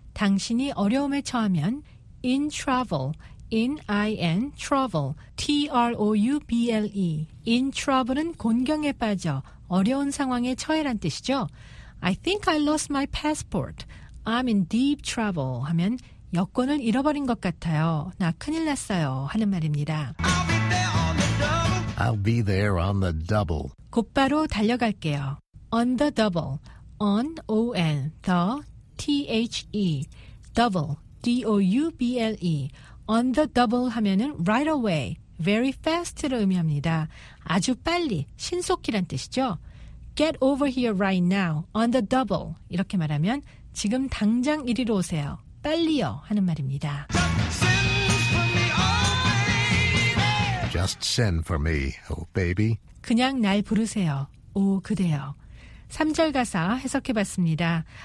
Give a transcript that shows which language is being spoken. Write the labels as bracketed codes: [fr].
[ko] 당신이 어려움에 처하면 in trouble. [en] In, I-N, trouble, T-R-O-U-B-L-E. [ko] In trouble은 곤경에 빠져, 어려운 상황에 처해란 뜻이죠. [en] I think I lost my passport. I'm in deep trouble [ko] 하면 여권을 잃어버린 것 같아요. 나 큰일 났어요 하는 말입니다. [en] I'll be there on the double. [ko] 곧바로 달려갈게요. [en] On the double, on, O-N, the, T-H-E, double, D-O-U-B-L-E. [ko] On the double 하면은 right away, very fast를 의미합니다. 아주 빨리, 신속히란 뜻이죠. [en] Get over here right now, on the double. [ko] 이렇게 말하면 지금 당장 이리로 오세요. 빨리요 하는 말입니다. [en] Just send for me, oh baby. [ko] 그냥 날 부르세요, 오 그대요. 3절 가사 해석해봤습니다.